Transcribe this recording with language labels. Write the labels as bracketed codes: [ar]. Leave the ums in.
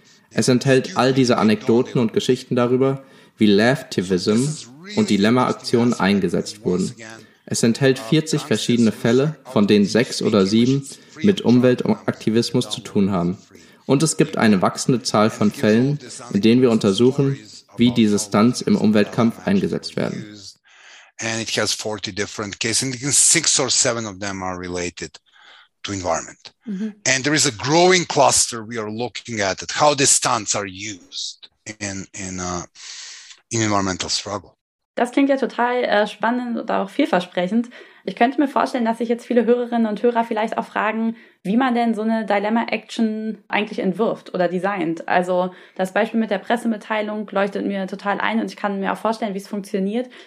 [de] Es enthält all diese Anekdoten und Geschichten darüber, wie Laughtivism und Dilemma-Aktionen eingesetzt wurden. Es enthält 40 verschiedene Fälle, von denen sechs oder sieben mit Umweltaktivismus zu tun haben. Und es gibt eine wachsende Zahl von Fällen, in denen wir untersuchen, wie diese Stunts im Umweltkampf eingesetzt werden. [en] And it has 40 different cases, and six or seven of them are related to environment. Mm-hmm. And there is a growing cluster we are looking at, at how these stunts are used in, in, uh, in environmental struggle. [de] Das klingt ja total äh, spannend und auch vielversprechend. Ich könnte mir vorstellen, dass sich jetzt viele Hörerinnen und Hörer vielleicht auch fragen, wie man denn so eine Dilemma-Action eigentlich entwirft oder designt. Also das Beispiel mit der Pressemitteilung leuchtet mir total ein und ich kann mir auch vorstellen, wie es funktioniert.